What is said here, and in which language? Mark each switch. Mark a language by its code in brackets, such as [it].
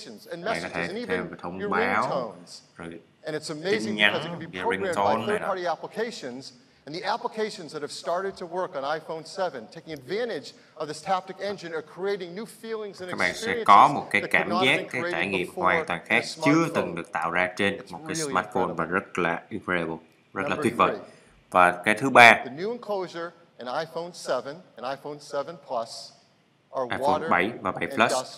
[vi] Các bạn có thể thêm thông báo, rồi tin nhắn, ringtone này đó. [en] And the applications that have started to work on iPhone 7, taking advantage of this haptic engine, are creating new feelings and experiences. [vi] Các bạn sẽ có một cái cảm giác, cái trải nghiệm hoàn toàn khác chưa từng được tạo ra trên một cái smartphone và rất là incredible, rất là tuyệt vời. Và cái thứ ba, [en] the new enclosure in iPhone 7 and iPhone 7 Plus [vi] iPhone 7 và 7 Plus.